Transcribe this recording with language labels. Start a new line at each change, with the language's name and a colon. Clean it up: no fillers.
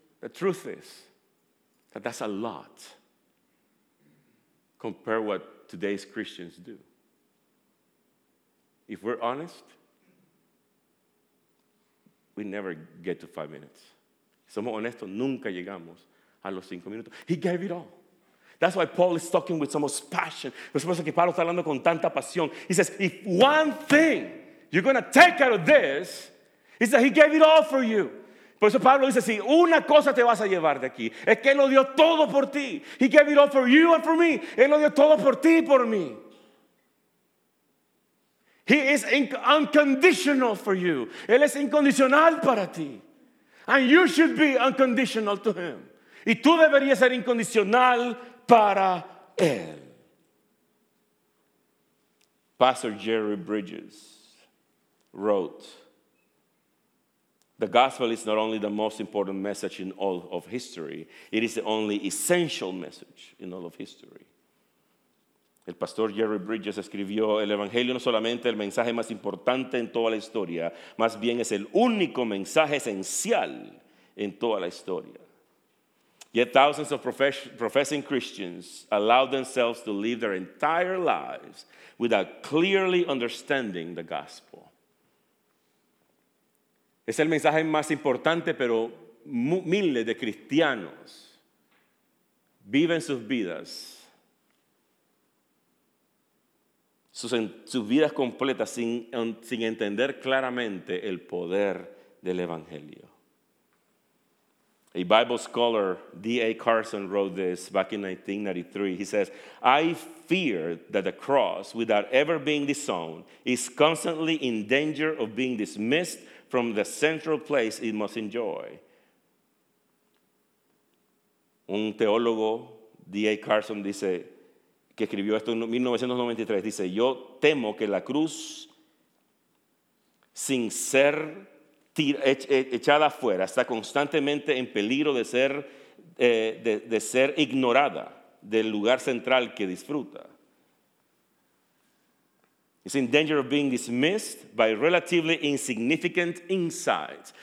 English: The truth is that that's a lot compared to what today's Christians do. If we're honest, we never get to 5 minutes.
Spanish: Somos honestos, nunca llegamos a los cinco minutos.
English: He gave it all. That's why Paul is talking with so much passion.
Spanish: Por eso que Pablo está hablando con tanta pasión.
English: He says, if one thing you're going to take out of this, is that he gave it all for you.
Spanish: Por eso Pablo dice, si una cosa te vas a llevar de aquí, es que él lo dio todo por ti.
English: He gave it all for you and for me.
Spanish: Él lo dio todo por ti y por mí.
English: He is unconditional for you.
Spanish: Él es incondicional para ti.
English: And you should be unconditional to him.
Spanish: Y tú deberías ser incondicional para él.
English: Pastor Jerry Bridges wrote, the gospel is not only the most important message in all of history, it is the only essential message in all of history.
Spanish: El pastor Jerry Bridges escribió, el evangelio no solamente el mensaje más importante en toda la historia, más bien es el único mensaje esencial en toda la historia.
English: Yet thousands of professing Christians allow themselves to live their entire lives without clearly understanding the gospel.
Spanish: Es el mensaje más importante, pero miles de cristianos viven sus vidas, sus vidas completas sin entender claramente el poder del evangelio.
English: A Bible scholar, D.A. Carson, wrote this back in 1993. He says, I fear that the cross, without ever being disowned, is constantly in danger of being dismissed from the central place it must enjoy.
Spanish: Un teólogo, D.A. Carson, dice, que escribió esto en 1993, dice, yo temo que la cruz, sin ser echada afuera, está constantemente en peligro de ser ignorada del lugar central que disfruta.
English: It's in danger of being dismissed by relatively insignificant insights.